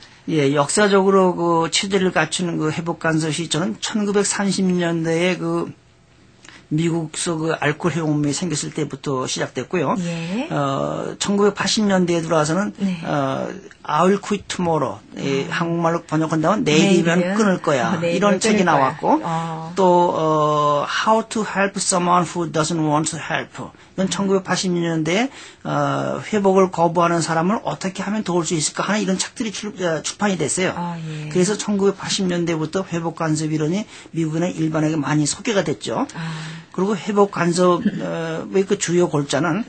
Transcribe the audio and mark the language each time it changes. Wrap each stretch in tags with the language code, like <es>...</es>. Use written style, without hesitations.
<ko>예, 역사적으로 그 체제를 갖추는 그 회복 간섭 시절은 1930년대에 그 미국에서 그 알코올 회복이 생겼을 때부터 시작됐고요. 예. 1980년대에 들어와서는 네.</ko> <en>I'll quit tomorrow.</en> <ko>예, 한국말로 번역한다면 내일이면 끊을 거야. 이런 책이 나왔고 또</ko> <en>How to help someone who doesn't want to help.</en> <ko>이건 1980년대에 회복을 거부하는 사람을 어떻게 하면 도울 수 있을까 하는 이런 책들이 출판이 됐어요. 예. 그래서 1980년대부터 회복 간섭 이론이 미국에 일반에게 많이 소개가 됐죠. 아. 그리고 회복 간섭의 그 주요 골자는</ko>